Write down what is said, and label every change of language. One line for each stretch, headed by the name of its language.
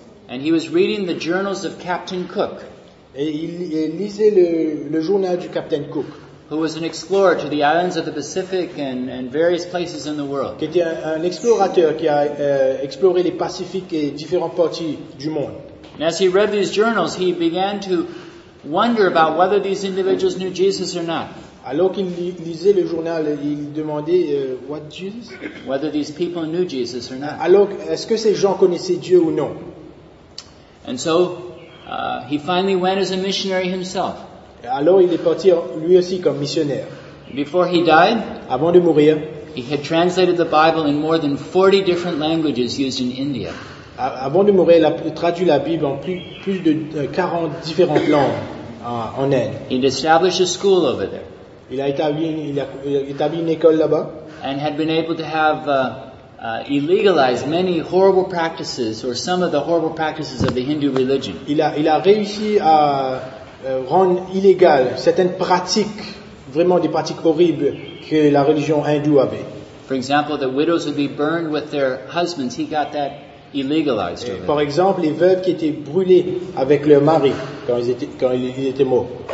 English: And he was reading the journals of Captain Cook.
French: Et il lisait le journal du Captain Cook.
English: Who was an explorer to the islands of the Pacific and various places in the world.
French: Qui était un explorateur qui a exploré les Pacifiques et différentes parties du monde.
English: And as he read these journals, he began to wonder about whether these individuals knew Jesus or not.
French: Alors qu'il lisait le journal, il demandait
English: what Jesus? Whether these people knew Jesus or not.
French: Alors, est-ce que ces gens connaissaient Dieu ou non?
English: And so, he finally went as a missionary himself.
French: Alors il est parti lui aussi comme missionnaire.
English: Before he died,
French: avant de mourir,
English: he had translated the Bible in more than 40 different languages used in India.
French: Avant de mourir, il a traduit la Bible en plus de 40 différentes langues en Inde.
English: He established a school over there.
French: Il a établi une école là-bas.
English: And had been able to have illegalized many horrible practices or some of the horrible practices of the Hindu religion.
French: Il a réussi à rendre illégal certaines pratiques, vraiment des pratiques horribles que la religion hindoue avait.
English: For example, the widows would be burned with their husbands. He got that illegalized.
French: Par exemple, les veuves qui étaient brûlées avec leur mari quand ils étaient morts.